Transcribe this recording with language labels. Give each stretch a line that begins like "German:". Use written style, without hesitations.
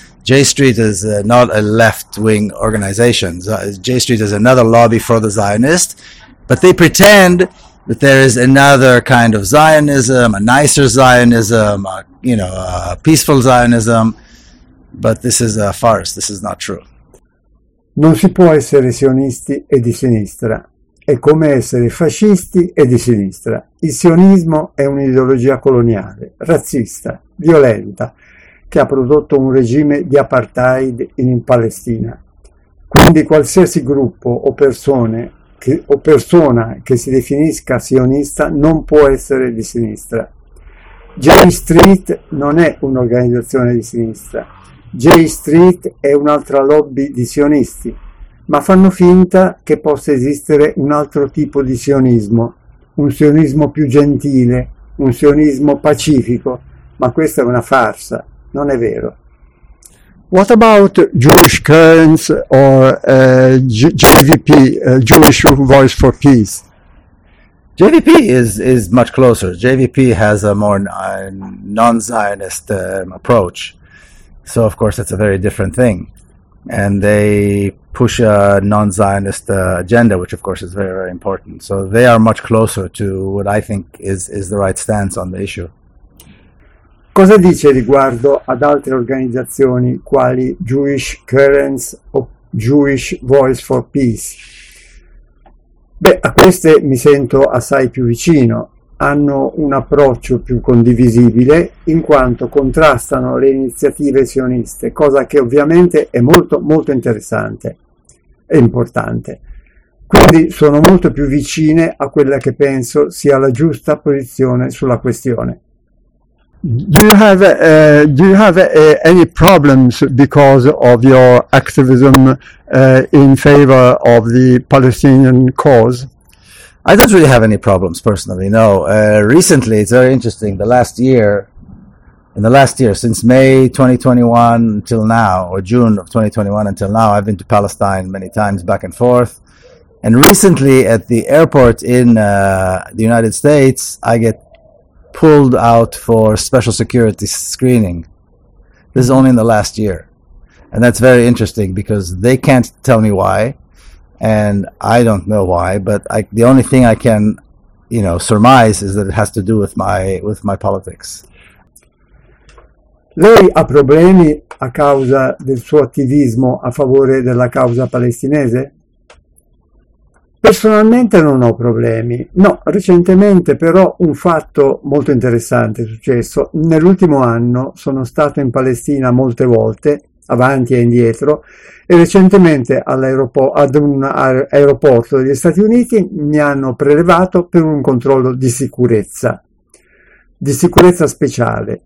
English: J Street is not a left-wing organization. J Street is another lobby for the Zionist, but they pretend that there is another kind of Zionism, a nicer Zionism, a, you know, a peaceful Zionism, but this is a farce. This is not true.
Italian: Non si può essere sionisti e di sinistra. È come essere fascisti e di sinistra. Il sionismo è un'ideologia coloniale, razzista, violenta, che ha prodotto un regime di apartheid in Palestina. Quindi qualsiasi gruppo o persone che, o persona che si definisca sionista non può essere di sinistra. J Street non è un'organizzazione di sinistra. J Street è un'altra lobby di sionisti, ma fanno finta che possa esistere un altro tipo di sionismo, un sionismo più gentile, un sionismo pacifico, ma questa è una farsa, non è vero.
English: What about Jewish Currents or JVP, Jewish Voice for Peace? JVP is much closer. JVP has a more non-Zionist approach. So, of course, it's a very different thing. And they push a non-Zionist agenda, which, of course, is very, very important. So they are much closer to what I think is the right stance on the issue.
Italian: Cosa dice riguardo ad altre organizzazioni quali Jewish Currents o Jewish Voice for Peace? Beh, a queste mi sento assai più vicino. Hanno un approccio più condivisibile in quanto contrastano le iniziative sioniste, cosa che ovviamente è molto molto interessante e importante. Quindi sono molto più vicine a quella che penso sia la giusta posizione sulla questione.
English: Do you have any problems because of your activism in favor of the Palestinian cause? I don't really have any problems personally, no. Recently, it's very interesting, in the last year, since May 2021 until now, or June of 2021 until now, I've been to Palestine many times back and forth. And recently at the airport in the United States, I get pulled out for special security screening. This is only in the last year. And that's very interesting because they can't tell me why. And I don't know why, but the only thing I can, you know, surmise is that it has to do with my politics.
Italian: Lei ha problemi a causa del suo attivismo a favore della causa palestinese? Personalmente non ho problemi. No, recentemente però un fatto molto interessante è successo. Nell'ultimo anno sono stato in Palestina molte volte, avanti e indietro, e recentemente ad un aeroporto degli Stati Uniti mi hanno prelevato per un controllo di sicurezza speciale.